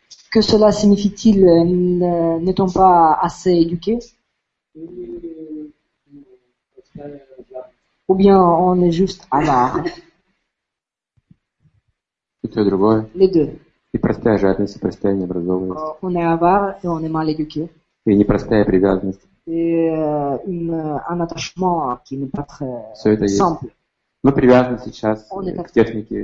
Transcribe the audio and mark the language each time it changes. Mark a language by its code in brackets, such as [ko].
[fr] Que cela signifie-t-il? N'est-on pas assez éduqué? Ou bien on est juste avare? Les deux. [ru] И простая жадность, и простая необразованность. [fr] On est avare et on est mal éduqué. [ru] И непростая привязанность. [fr] Un attachement qui n'est pas très [ru] все это [fr] simple. [ru] Есть. Мы привязаны сейчас к технике.